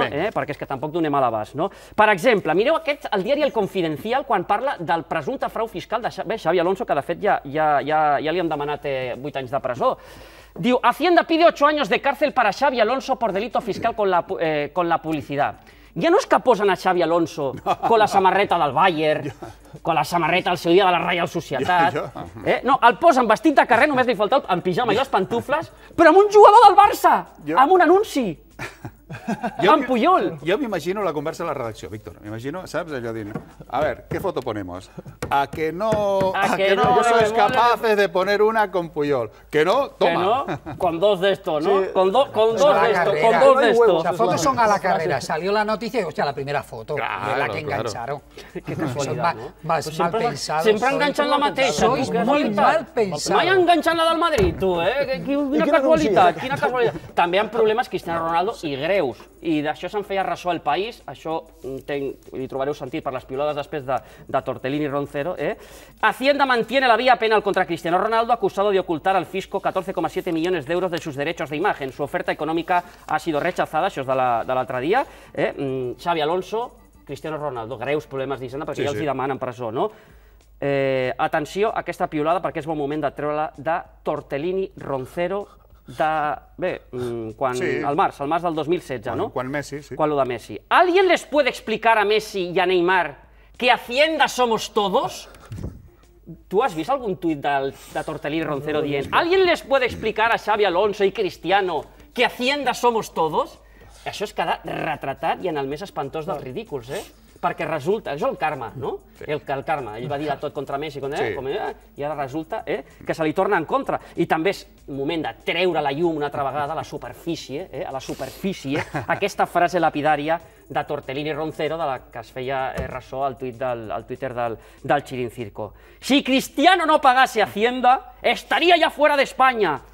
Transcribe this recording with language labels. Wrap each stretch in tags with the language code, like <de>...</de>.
<ca>Perquè és que tampoc donem a l'abast. No? Per exemple, mireu aquest, el diari El Confidencial, quan parla del presumpte frau fiscal de Xavi Alonso, que de fet ja li han demanat 8 anys de presó.</ca> <es>Diu, Hacienda pide 8 años de cárcel para Xavi Alonso por delito fiscal con la publicidad.</es> <ca>Ja no és que posen a Xavi Alonso con la samarreta del Bayern, con la samarreta al seu dia de la Real Societat. No, el posen vestit de carrer, només li falta en pijama i les pantufles, però amb un jugador del Barça, amb un anunci. En Puyol. Jo m'imagino la conversa a la redacció, Víctor. M'imagino, saps, allò dient,</ca> <es>a ver, ¿qué foto ponemos? A que no, a que no, no sois capaces de poner una con Puyol. Que no, toma. Que no, con dos de esto, ¿no? Sí. Con dos de esto, con dos de esto. Las fotos son a la carrera. Salió la noticia y, hostia, la primera foto. Claro, la que engancharon. Claro. Qué casualidad, ¿no? Más pues mal pensado. Siempre enganchan</es> <ca>la mateixa.</ca> <es>Sois muy mal pensado. Vaya enganchan la del Madrid, tú, ¿eh?</es> <ca>Quina casualidad, quina casualidad. També han problemes Cristiano Ronaldo i greus. I d'això se'n feia ressò al País, això li trobareu sentit per les piulades després de Tortellini i Roncero.</ca> <es>Hacienda mantiene la vía penal contra Cristiano Ronaldo, acusado de ocultar al fisco 14,7 millones de euros de sus derechos de imagen. Su oferta económica ha sido rechazada,</es> <ca>això és de l'altre dia. Xavi Alonso, Cristiano Ronaldo, greus problemes d'Hisenda, perquè ja els hi demanen presó, no? Atenció a aquesta piulada, perquè és bon moment de treure-la de Tortellini i Roncero, al març del 2016, quan, ¿no? Quan Messi, sí. Quan lo de Messi.</ca> <es>¿Alguien les puede explicar a Messi y a Neymar que Hacienda somos todos? ¿Tú has visto algún tuit de Tortellini y Roncero dient ¿alguien les puede explicar a Xavi Alonso y Cristiano que Hacienda somos todos?</es> <ca>Això es queda retratat i en el més espantós dels ridículs, eh? Perquè resulta, això és el karma, no? Sí. El karma, ell va dir de tot contra Messi, i ara resulta que se li torna en contra. I també és moment de treure la llum una altra vegada a la superfície, a la superfície, aquesta frase lapidària de Tortellini Roncero, de la que es feia ressò al Twitter del Chirincirco.</ca> <es>Si Cristiano no pagase Hacienda, estaría ya fuera de España.</es>